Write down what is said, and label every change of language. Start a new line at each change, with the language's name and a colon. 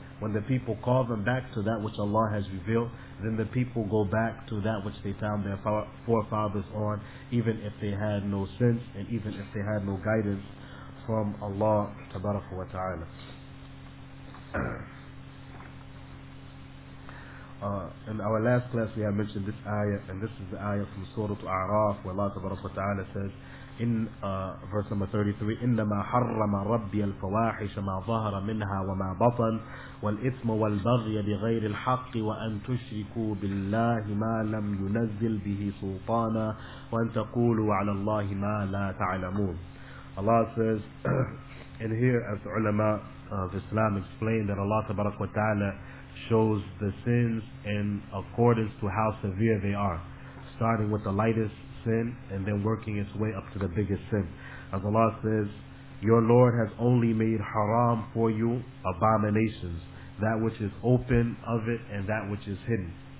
English: When the people call them back to that which Allah has revealed, then the people go back to that which they found their forefathers on, even if they had no sense and even if they had no guidance from Allah tabaraka wa ta'ala. In our last class we have mentioned this ayah, and this is the ayah from Surah Al-A'raf where Allah tabaraka wa ta'ala says in verse number 33,
Arabic: إِنَّمَا حَرَّمَ رَبِّيَ الْفَوَاحِشَ مَا ظَهَرَ مِنْهَا وَمَا بَطَنَ وَالْإِثْمَ وَالْبَغْيَ بِغَيْرِ الْحَقِّ وَأَنْ تُشْرِكُوا بِاللَّهِ مَا لَمْ يُنَزِّلْ بِهِ سُلْطَانًا وَأَنْ تَقُولُوا عَلَى اللَّهِ مَا لَا تَعْلَمُونَ.
English: Allah says, and here as the ulama of Islam explained, that Allah tabaraka wa ta'ala shows the sins in accordance to how severe they are, starting with the lightest sin and then working its way up to the biggest sin. As Allah says, your Lord has only made haram for you abominations, that which is open of it and that which is hidden.